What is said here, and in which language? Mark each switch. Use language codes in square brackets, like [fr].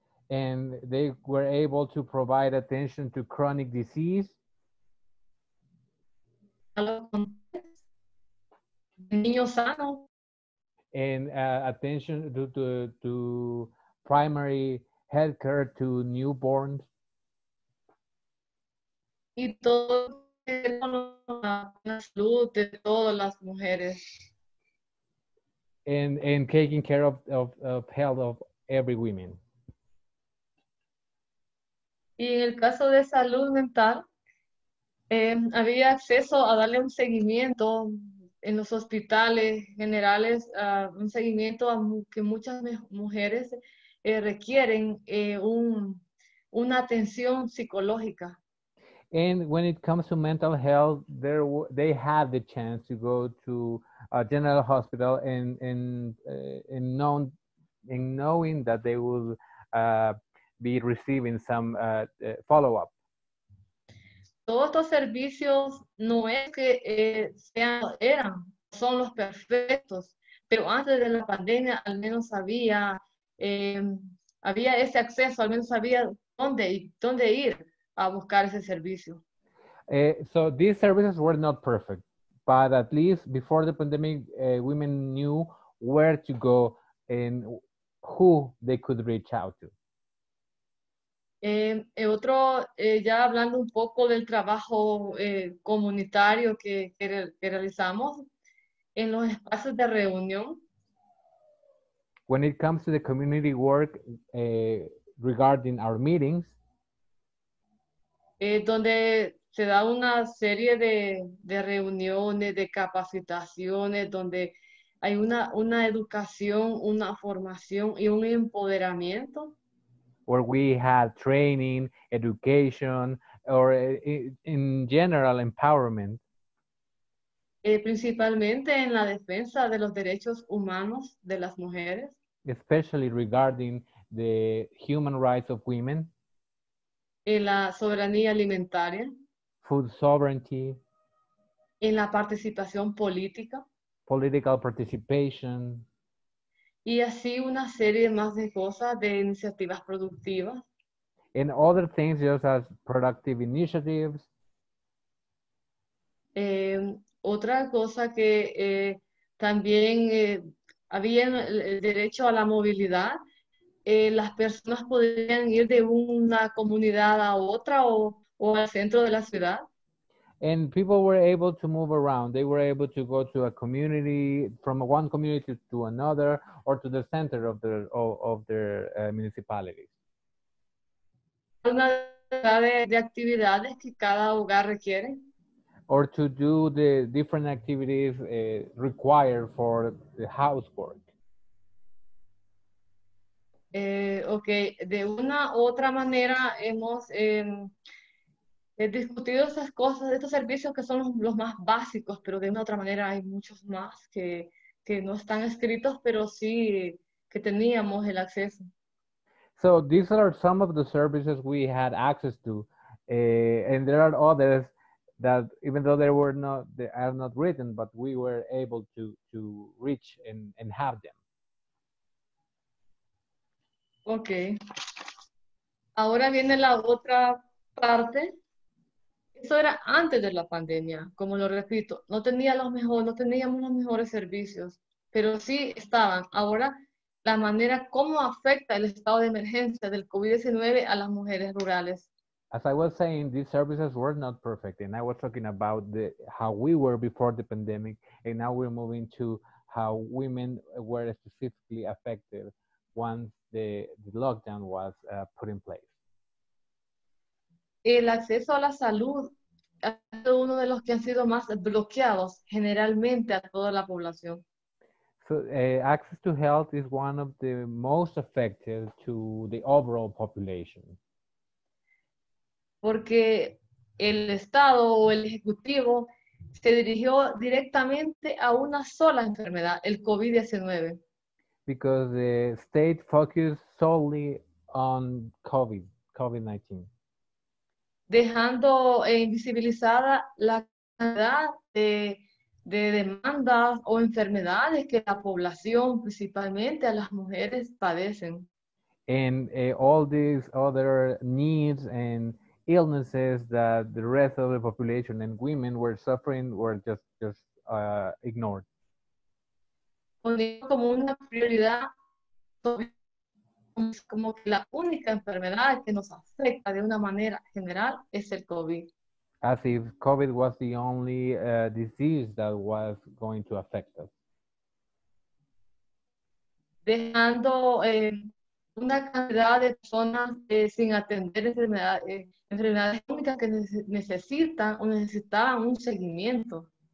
[en] And they were able to provide attention to chronic disease. [es] A los niños sanos. [en] And attention to primary health care to newborns. [es] Y todo con la salud de todas las mujeres. [en] And taking care of health of every woman. [es] Y en el caso de salud mental, había acceso a darle un seguimiento en los hospitales generales, un seguimiento a que muchas mujeres requieren una atención psicológica. [en] And when it comes to mental health, they had the chance to go to a general hospital and knowing that they will be receiving some follow-up. [es] Todos estos servicios no es que son los perfectos, pero antes de la pandemia al menos había ese acceso, al menos había dónde ir a buscar ese servicio. [en] So these services were not perfect, but at least before the pandemic, women knew where to go and who they could reach out to. [es] Ya hablando un poco del trabajo comunitario que realizamos en los espacios de reunión. [en] When it comes to the community work regarding our meetings, [es] donde se da una serie de reuniones, de capacitaciones, donde hay una educación, una formación y un empoderamiento. [en] Where we have training, education, or in general, empowerment. [es] Principalmente en la defensa de los derechos humanos de las mujeres. [en] Especially regarding the human rights of women. [es] En la soberanía alimentaria. [en] Food sovereignty. [es] En la participación política. [en] Political participation. [es] Y así una serie más de cosas de iniciativas productivas. [en] And other things just as productive initiatives. [es] Otra cosa que también había el derecho a la movilidad. Las personas podrían ir de una comunidad a otra o al centro de la ciudad. [en] And people were able to move around. They were able to go to a community, from one community to another, or to the center of their municipalities. [es] Una de actividades que cada hogar requiere. [en] Or to do the different activities required for the housework. [es] Okay, de una u otra manera hemos discutido esas cosas, estos servicios que son los más básicos, pero de una u otra manera hay muchos más que no están escritos, pero sí que teníamos el acceso. [en] So these are some of the services we had access to, and there are others that even though they were not, they are not written, but we were able to reach and have them. [es] Okay. Ahora viene la otra parte. Eso era antes de la pandemia, como lo repito, no teníamos los mejores servicios, pero sí estaban. Ahora, la manera cómo afecta el estado de emergencia del COVID-19 a las mujeres rurales. [en] As I was saying, these services were not perfect, and I was talking about the how we were before the pandemic, and now we're moving to how women were specifically affected once the lockdown was put in place. [es] El acceso a la salud ha sido uno de los que han sido más bloqueados generalmente a toda la población. [en] So access to health is one of the most affected to the overall population. [es] Porque el Estado o el Ejecutivo se dirigió directamente a una sola enfermedad, el COVID-19. [en] Because the state focused solely on COVID-19. [es] Dejando invisibilizada la cantidad de demandas o enfermedades que la población, principalmente a las mujeres, padecen. [en] And all these other needs and illnesses that the rest of the population and women were suffering were just ignored. [es] Como una prioridad, como que la única enfermedad que nos afecta de una manera general es el COVID. [en] As if COVID was the only disease that was going to affect us. [es] Dejando una cantidad de personas sin atender enfermedades crónicas que necesitan o necesitaban un seguimiento.